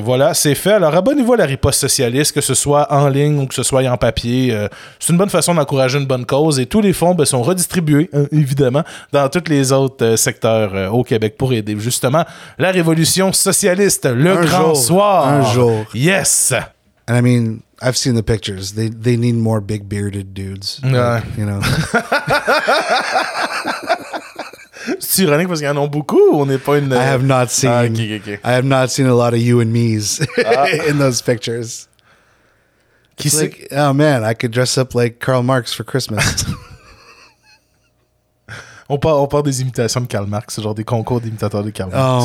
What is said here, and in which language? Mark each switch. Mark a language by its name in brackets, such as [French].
[French] voilà, c'est fait. Alors abonnez-vous à la Riposte socialiste, que ce soit en ligne ou que ce soit en papier. C'est une bonne façon d'encourager une bonne cause et tous les fonds sont redistribués, évidemment, dans tous les autres secteurs au Québec pour aider, justement, la révolution socialiste, le un grand jour, soir. Un jour. [English] Yes! And I mean, I've seen the pictures. They need more big bearded dudes. Like, you know. [French] C'est ironique parce qu'il y en a beaucoup. On n'est pas une... [English] I have not seen a lot of you and me's in those pictures. It's like, oh man, I could dress up like Karl Marx for Christmas. [French] On part des imitations de Karl Marx, genre des concours d'imitateurs de Karl Marx.